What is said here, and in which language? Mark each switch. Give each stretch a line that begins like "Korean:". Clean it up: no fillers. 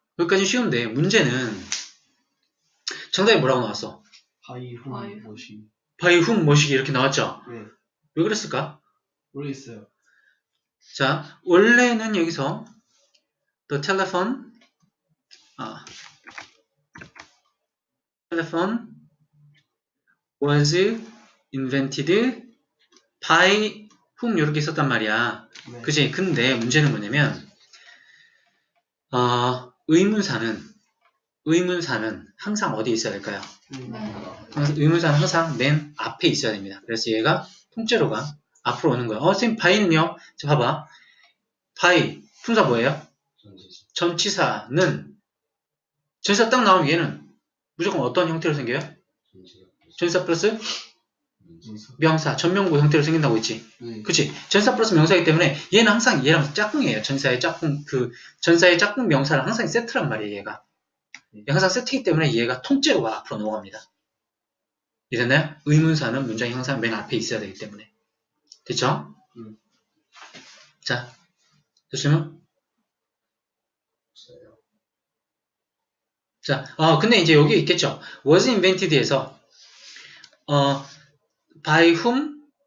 Korean: 거기까지 쉬운데, 문제는, 정답이 뭐라고 나왔어?
English: 바이 훔 머신.
Korean: 바이 훔 머시기 이렇게 나왔죠? 네. 왜 그랬을까? 모르겠어요. 자, 원래는 여기서,
English: the telephone, telephone was invented by whom
Korean: 이렇게 썼단 말이야. 그치? 근데 문제는 뭐냐면, 의문사는 항상 어디에 있어야 될까요? 의문사는 항상 맨 앞에 있어야 됩니다. 그래서 얘가 통째로가 앞으로 오는 거야. 선생님, 바이는요? 자, 봐봐. 바이, 품사 뭐예요? 전치사는, 전치사 딱 나오면 얘는 무조건 어떤 형태로 생겨요? 전치사 플러스 명사, 전명구 형태로 생긴다고 했지. 그치? 전치사 플러스 명사이기 때문에 얘는 항상 얘랑 짝꿍이에요. 전치사의 짝꿍 명사랑 항상 세트란 말이에요, 얘가. 항상 세트이기 때문에 얘가 통째로가 앞으로 넘어갑니다. 이랬나요? 의문사는 문장이 항상 맨 앞에 있어야 되기 때문에. 됐죠? 자, 됐으면. 자, 근데 이제 여기 있겠죠?
English: was invented에서, by whom?